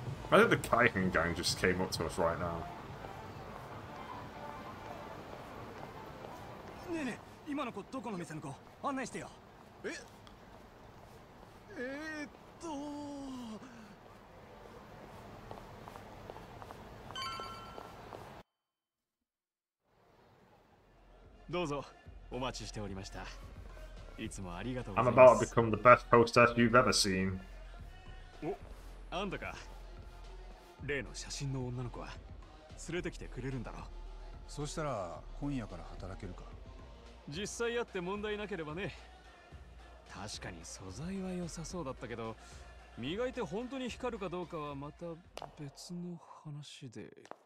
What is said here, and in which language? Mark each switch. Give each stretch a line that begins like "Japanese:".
English: I think the Kaihen gang just came up to us right now.
Japanese: 今の子どこの店の子、案内してよ。どうぞ、お待ちしておりました。いつもありがとうございます。
English: I'm about to become the best hostess you've ever seen。
Japanese: お、あんたか。例の写真の女の子は連れてきてくれるんだろう。そしたら今夜から働けるか。実際やって問題なければね。確かに素材は良さそうだったけど、磨いて本当に光るかどうかはまた別の話で。